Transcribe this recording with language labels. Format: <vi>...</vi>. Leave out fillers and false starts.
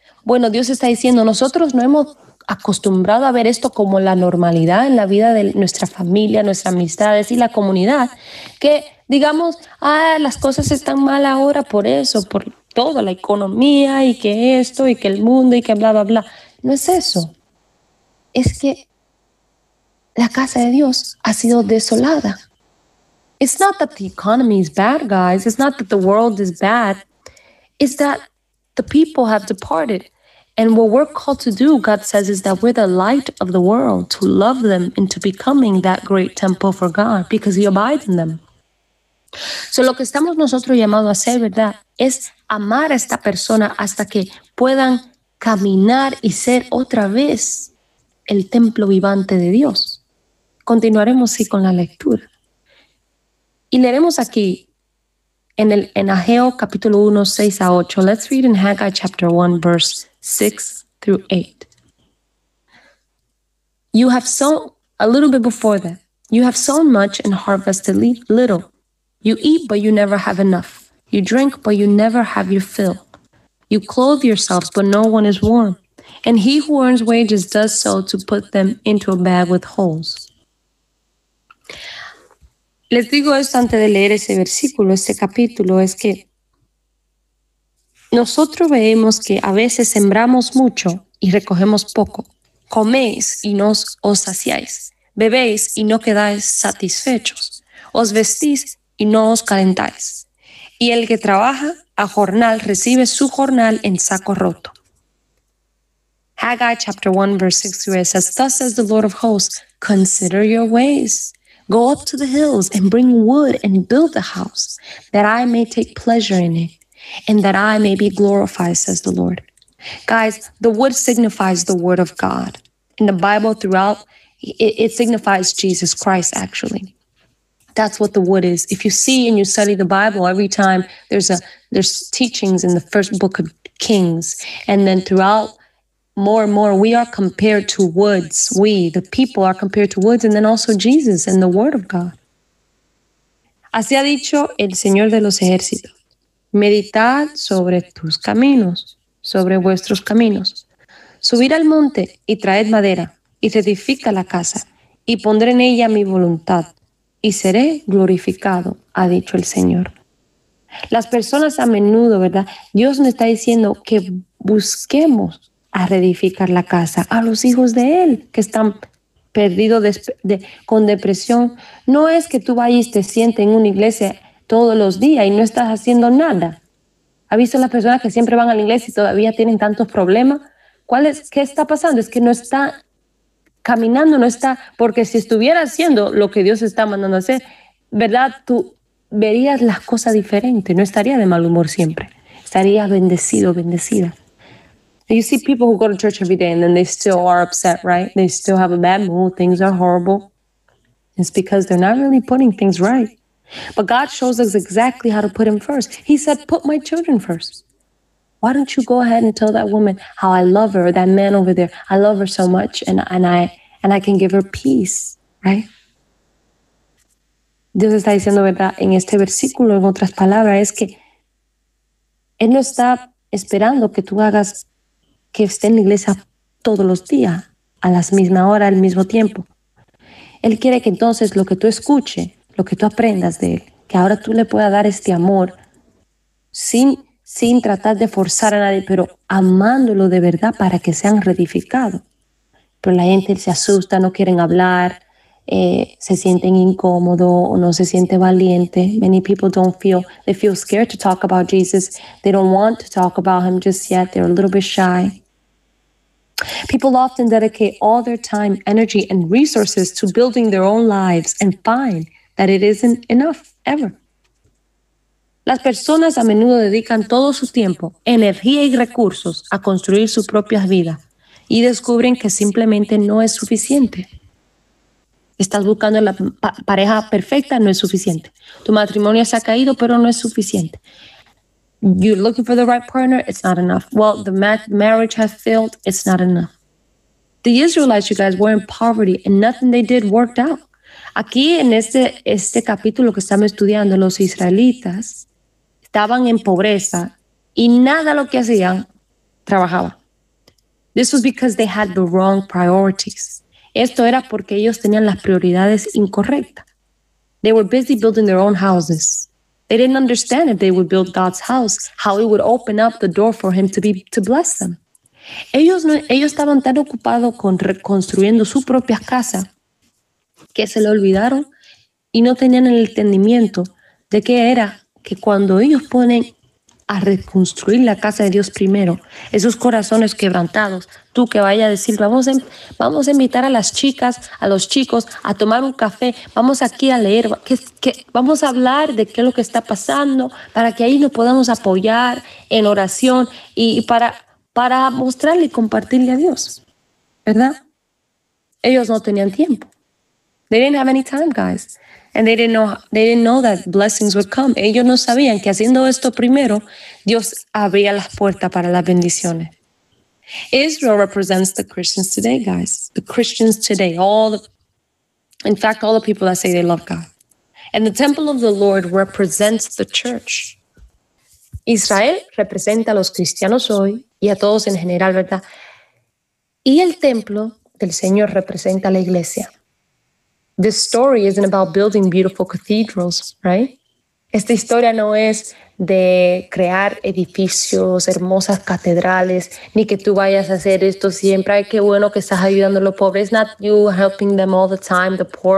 <es>Bueno, Dios está diciendo, nosotros no hemos acostumbrado a ver esto como la normalidad en la vida de nuestra familia, nuestras amistades y la comunidad, que digamos, las cosas están mal ahora por eso, por toda la economía y que esto y que el mundo y que bla, bla, bla. No es eso. Es que la casa de Dios ha sido desolada.</es> <en>It's not that the economy is bad, guys. It's not that the world is bad. It's that the people have departed. And what we're called to do, God says, is that we're the light of the world, to love them into becoming that great temple for God, because he abides in them.</en> <es>So lo que estamos nosotros llamados a hacer, ¿verdad? Es amar a esta persona hasta que puedan caminar y ser otra vez el templo vivante de Dios. continuaremos sí con la lectura. Y leeremos aquí en Ageo capítulo 1, 6 a 8.</es> <en>Let's read in Haggai chapter 1, verse 6 through 8. You have sown a little bit before that. You have sown much and harvested little. You eat, but you never have enough. You drink, but you never have your fill. You clothe yourselves, but no one is warm. And he who earns wages does so to put them into a bag with holes.</en> <es>Les digo esto antes de leer ese versículo, este capítulo, es que nosotros vemos que a veces sembramos mucho y recogemos poco. Coméis y no os saciáis. Bebéis y no quedáis satisfechos. Os vestís y no os calentáis. Y el que trabaja a jornal recibe su jornal en saco roto.</es> <en>Haggai chapter 1 verse 6 through 8 says, thus says the Lord of hosts, consider your ways. Go up to the hills and bring wood and build a house, that I may take pleasure in it, and that I may be glorified, says the Lord. Guys, the wood signifies the word of God. In the Bible throughout, it signifies Jesus Christ, actually. That's what the wood is. If you see and you study the Bible, every time there's teachings in the first book of Kings, and then throughout, more and more, we are compared to woods. We, the people, are compared to woods, and then also Jesus and the Word of God.</en> <es>Así ha dicho el Señor de los ejércitos. Meditad sobre tus caminos, sobre vuestros caminos. Subid al monte y traed madera, y edifica la casa, y pondré en ella mi voluntad, y seré glorificado, ha dicho el Señor. Las personas a menudo, ¿verdad? Dios nos está diciendo que busquemos a reedificar la casa, a los hijos de él que están perdidos con depresión. No es que tú vayas y te sientes en una iglesia todos los días y no estás haciendo nada. ¿Has visto las personas que siempre van a la iglesia y todavía tienen tantos problemas? ¿Cuál es, qué está pasando? Es que no está caminando, no está, porque si estuviera haciendo lo que Dios está mandando a hacer, ¿verdad? Tú verías las cosas diferentes, no estaría de mal humor siempre, estaría bendecido, bendecida.</es> <en>You see people who go to church every day and then they still are upset, right? They still have a bad mood. Things are horrible. It's because they're not really putting things right. But God shows us exactly how to put him first. He said, put my children first. Why don't you go ahead and tell that woman how I love her, that man over there. I love her so much and I can give her peace, right?</en> <es>Dios está diciendo verdad en este versículo, en otras palabras, es que él no está esperando que tú hagas que esté en la iglesia todos los días, a la misma hora, al mismo tiempo. Él quiere que entonces lo que tú escuche, lo que tú aprendas de él, que ahora tú le puedas dar este amor sin tratar de forzar a nadie, pero amándolo de verdad para que sean reedificados. Pero la gente se asusta, no quieren hablar, se sienten incómodo o no se siente valiente.</es> <en>Many people they feel scared to talk about Jesus. They don't want to talk about him just yet. They're a little bit shy. People often dedicate all their time, energy, and resources to building their own lives and find that it isn't enough ever.</en> <es>Las personas a menudo dedican todo su tiempo, energía y recursos a construir su propia vida y descubren que simplemente no es suficiente. Estás buscando la pareja perfecta, no es suficiente. Tu matrimonio se ha caído, pero no es suficiente.</es> <en>You're looking for the right partner, it's not enough. Well, the marriage has failed, it's not enough. The Israelites, you guys, were in poverty and nothing they did worked out.</en> <es>Aquí en este capítulo que estamos estudiando, los israelitas estaban en pobreza y nada lo que hacían trabajaba.</es> <en>This was because they had the wrong priorities.</en> <es>Esto era porque ellos tenían las prioridades incorrectas.</es> <en>They were busy building their own houses. They didn't understand if they would build God's house, how it would open up the door for him to bless them.</en> <es>Ellos estaban tan ocupados con reconstruyendo su propia casa que se le olvidaron y no tenían el entendimiento de qué era que cuando ellos ponen a reconstruir la casa de Dios primero, esos corazones quebrantados, tú que vayas a decir, vamos a invitar a las chicas, a los chicos, a tomar un café, vamos aquí a leer, que vamos a hablar de qué es lo que está pasando, para que ahí nos podamos apoyar en oración y para mostrarle y compartirle a Dios, ¿verdad? Ellos no tenían tiempo.</es> <en>They didn't have any time, guys. And they didn't know that blessings would come.</en> <es>Ellos no sabían que haciendo esto primero, Dios abría las puertas para las bendiciones.</es> <en>Israel represents the Christians today, guys. The Christians today, all the people that say they love God. And the temple of the Lord represents the church.</en> <es>Israel representa a los cristianos hoy y a todos en general, ¿verdad? Y el templo del Señor representa a la iglesia.</es> <en>This story isn't about building beautiful cathedrals, right?</en> <es>Esta historia no es de crear edificios, hermosas catedrales, ni que tú vayas a hacer esto siempre. Ay, qué bueno que estás ayudando a los pobres.</es> <en>It's not you helping them all the time, the poor.</en>